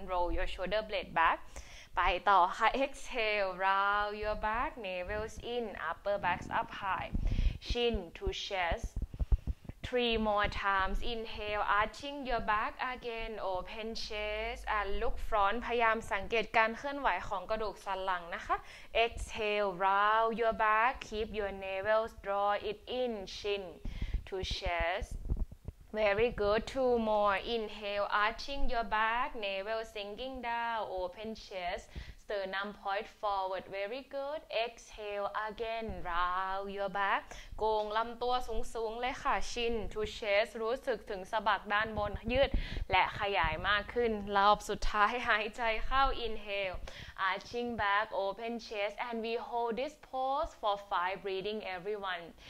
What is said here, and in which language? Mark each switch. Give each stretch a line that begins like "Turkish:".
English: Roll your shoulder blade back.
Thai: ไปต่อค่ะ
English: Exhale, round your back, navels in, upper backs up high, chin to chest. Three more times. Inhale, arching your back again, open chest, and look front.
Thai: พยายามสังเกตการเคลื่อนไหวของกระดูกสันหลังนะคะ
English: Exhale, round your back, keep your navels, draw it in, chin to chest. Very good. Two more. Inhale, arching your back, navel sinking down, open chest, sternum point forward. Very good. Exhale again, round your back.
Thai: โก่งลำตัวสูงๆเลยค่ะ
English: Chin to chest.
Thai: รู้สึกถึงสะบักด้านบนยืดและขยายมากขึ้นรอบสุดท้ายหายใจเข้า
English: Inhale, arching back, open chest, and we hold this pose for 5 breathing everyone.